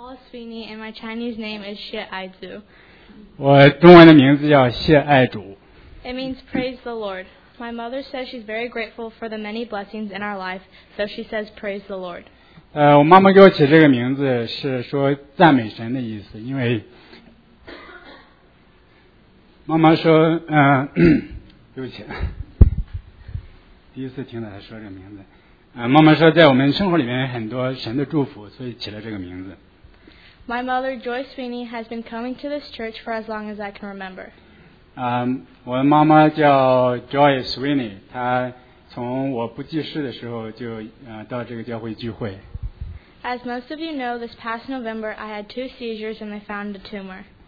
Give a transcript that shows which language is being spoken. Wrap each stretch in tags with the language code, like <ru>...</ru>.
<en>Sweeney, and my Chinese name is Xie Aizu.</en> <zh>我中文的名字叫谢爱主。</zh> <en>It means praise the Lord. My mother says she's very grateful for the many blessings in our life, so she says praise the Lord.</en> <zh>我妈妈给我起这个名字是说赞美神的意思，因为妈妈说，对不起，第一次听到她说这个名字。妈妈说在我们生活里面很多神的祝福，所以起了这个名字。</zh> <en>My mother, Joyce Sweeney, has been coming to this church for as long as I can remember.</en> <zh>我的妈妈叫 Joy Sweeney， 她从我不记事的时候就到这个教会聚会。</zh> <en>As most of you know, this past November, I had two seizures and they found a tumor.</en>